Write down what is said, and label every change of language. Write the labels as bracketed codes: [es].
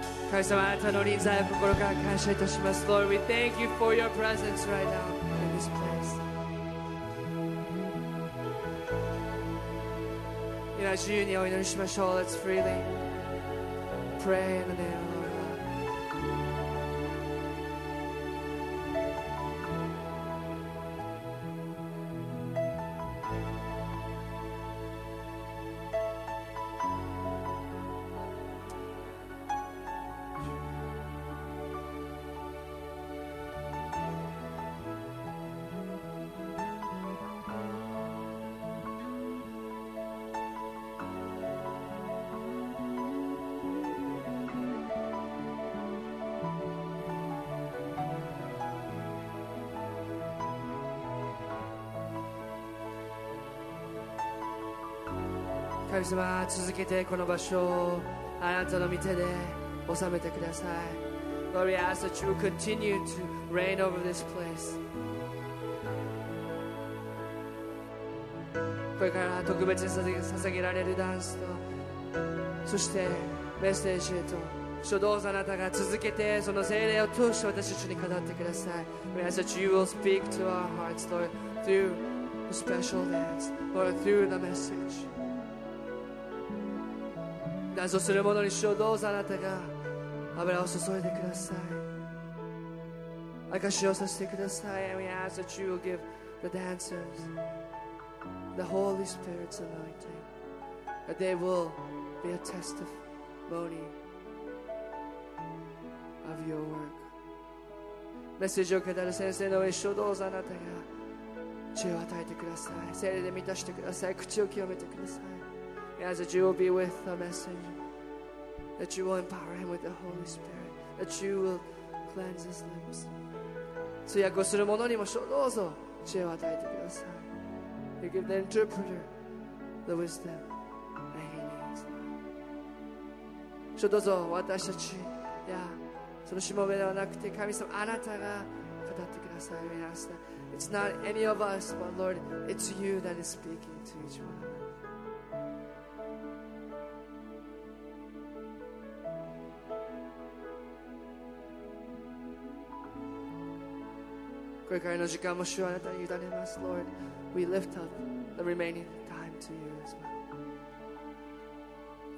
[ja] 神様、あなたの臨在を心から感謝いたします。 [en] Lord, we thank you for your presence right now in this place. [ja] みな自由にお祈りしましょう。 [en] Let's freely pray in the name of the Lord. [ja] 神様、続けてこの場所をあなたの御手で収めてください。 [en] Lord, we ask that you will continue to reign over this place. [ja] これから特別に捧げられるダンスと、そしてメッセージへと、主、どうぞあなたが続けてその聖霊を通して私たちに語ってください。 [en] We ask that you will speak to our hearts, Lord, through the special dance, Lord, through the message. [ja] 謎するものに主をどうぞあなたが油を注いでください。証しをさせてください。 [en] And we ask that you will give the dancers the Holy Spirit's anointing, that they will be a testimony of your work. [ja] メッセージを語る先生の上、主をどうぞあなたが知恵を与えてください。聖霊で満たしてください。口を清めてください。 [en] As that you will be with the messenger, that you will empower him with the Holy Spirit, that you will cleanse his lips. [ja] 通訳をする者にもどうぞ知恵を与えてください。 [en] You give the interpreter the wisdom that he needs. [ja] 主、どうぞ私たちやそのしもべではなくて神様、あなたが語ってください。 [en] We ask that it's not any of us, but Lord, it's you that is speaking to each one. [ja] これからの時間も主はあなたに委ねます。 [en] Lord, we lift up the remaining time to you as well.